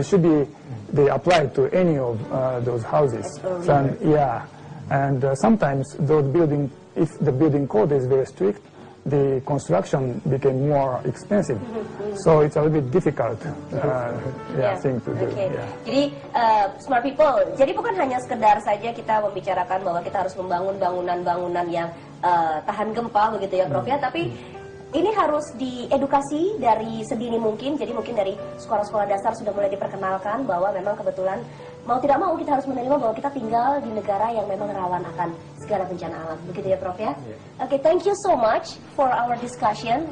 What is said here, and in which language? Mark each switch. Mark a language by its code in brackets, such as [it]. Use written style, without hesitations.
[en] It should be applied to any of those houses. So, yeah, and sometimes those building, if the building code is very strict, the construction became more expensive. Mm-hmm. So it's a little bit difficult thing to do. Okay. [id] Jadi [en] smart people, [id] jadi bukan hanya sekedar saja kita membicarakan bahwa kita harus membangun bangunan-bangunan yang tahan gempa begitu ya, Prof. Mm-hmm. Ya, tapi ini harus diedukasi dari sedini mungkin. Jadi mungkin dari sekolah-sekolah dasar sudah mulai diperkenalkan bahwa memang kebetulan mau tidak mau kita harus menerima bahwa kita tinggal di negara yang memang rawan akan segala bencana alam. Begitu ya, Prof, ya? [en] Yeah. Okay, thank you so much for our discussion.